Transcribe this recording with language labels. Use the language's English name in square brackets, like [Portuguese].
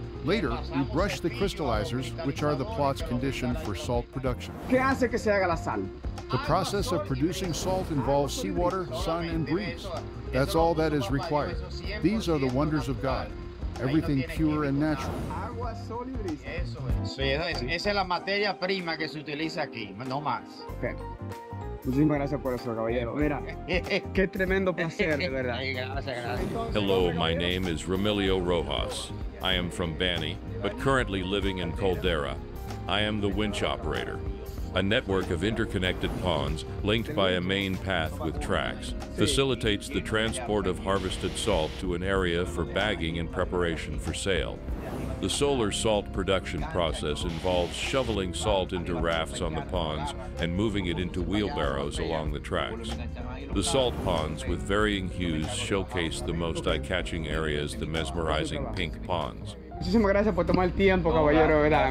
[English] Later, we brush the crystallizers, which are the plot's condition for salt production. The process of producing salt involves seawater, sun, and breeze. That's all that is required. These are the wonders of God, everything pure and natural. [Spanish] Esa es la materia prima que se utiliza aquí, no más. Muchísimas gracias por eso, caballero. Mira, qué tremendo placer, de verdad. [English] Hello, my name is Ramilio Rojas. I am from Bani, but currently living in Caldera. I am the winch operator, a network of interconnected ponds linked by a main path with tracks, facilitates the transport of harvested salt to an area for bagging and preparation for sale. The solar salt production process involves shoveling salt into rafts on the ponds and moving it into wheelbarrows along the tracks. The salt ponds with varying hues showcase the most eye-catching areas, the mesmerizing pink ponds. [Spanish] Muchísimas gracias por tomar el tiempo, caballero, ¿verdad?